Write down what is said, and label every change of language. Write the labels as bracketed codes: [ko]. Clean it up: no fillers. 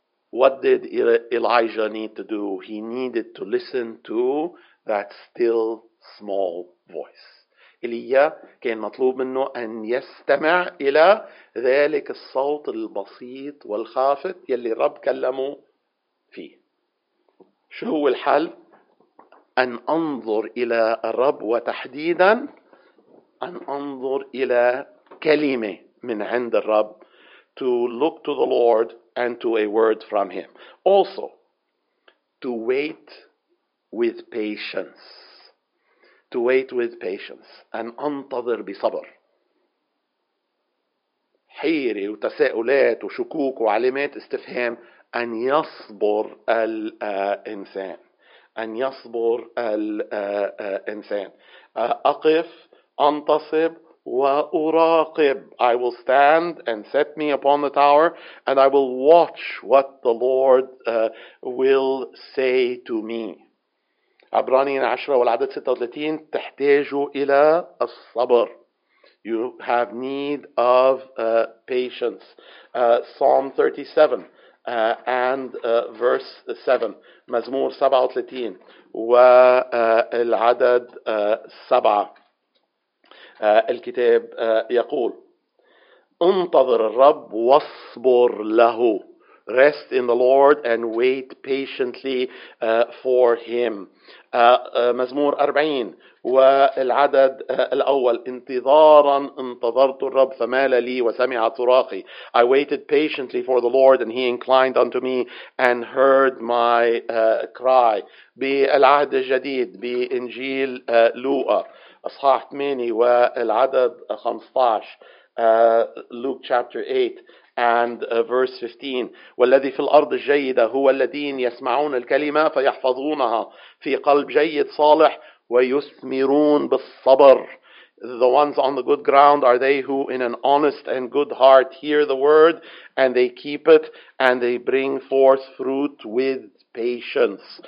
[en] What did Elijah need to do? He needed to listen to that still small voice. [ar] إليا كان مطلوب منه أن يستمع إلى ذلك الصوت البسيط والخافت يلي الرب كلمه فيه. شو هو الحل؟ أن أنظر إلى الرب وتحديدا أن أنظر إلى كلمة من عند الرب. [en] To look to the Lord and to a word from him. Also, to wait with patience. To wait with patience. [ar] أن أنتظر بصبر. حيرة وتساؤلات وشكوك وعلامات استفهام. أن يصبر الإنسان. أن يصبر الإنسان. أقف أنتصب وأراقب. [en] I will stand and set me upon the tower and I will watch what the Lord will say to me. [ar] عبرانيين 10 والعدد 36 تحتاجوا إلى الصبر. [en] You have need of patience. Psalm 37 and verse 7 [ar] مزمور 37 والعدد 7 الكتاب يقول انتظر الرب واصبر له. [en] Rest in the Lord and wait patiently for him. [ar] مزمور 40 والعدد الأول انتظارا انتظرت الرب فمال لي وسمع صراخي. [en] I waited patiently for the Lord and he inclined unto me and heard my cry. [ar] بالعهد الجديد بإنجيل لوقا أصحاح 8 والعدد 15 [en] Luke chapter 8 and verse 15 [ar] والذي في الأرض الجيدة هو الذين يسمعون الكلمة فيحفظونها في قلب جيد صالح ويثمرون بالصبر. [en] The ones on the good ground are they who, in an honest and good heart, hear the word and they keep it and they bring forth fruit with patience.